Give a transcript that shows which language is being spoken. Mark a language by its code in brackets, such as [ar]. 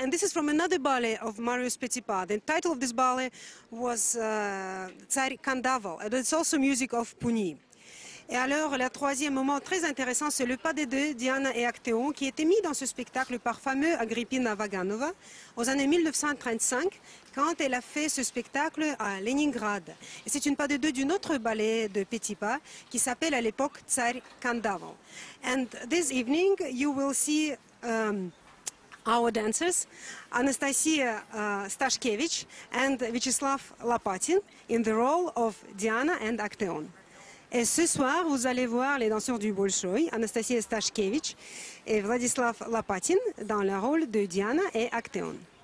[en] And this is from another ballet of Marius Petipa. The title of this ballet was Tsar Kandaval, and it's also music of Pugni. [fr] Et alors, le troisième moment très intéressant, c'est le pas des deux, Diana et Actéon, qui était mis dans ce spectacle par fameux Agrippina Vaganova aux années 1935, quand elle a fait ce spectacle à Leningrad. Et c'est une pas des deux d'une autre ballet de Petipa qui s'appelle à l'époque Tsar Kandaval. [en] And this evening, you will see our dancers, Anastasia Stashkevich and Vyacheslav Lopatin in the role of Diana and Actéon. [fr] Et ce soir, vous allez voir les danseurs du Bolshoï, Anastasia Stashkevich et Vladislav Lopatin, dans le rôle de Diana et Actéon.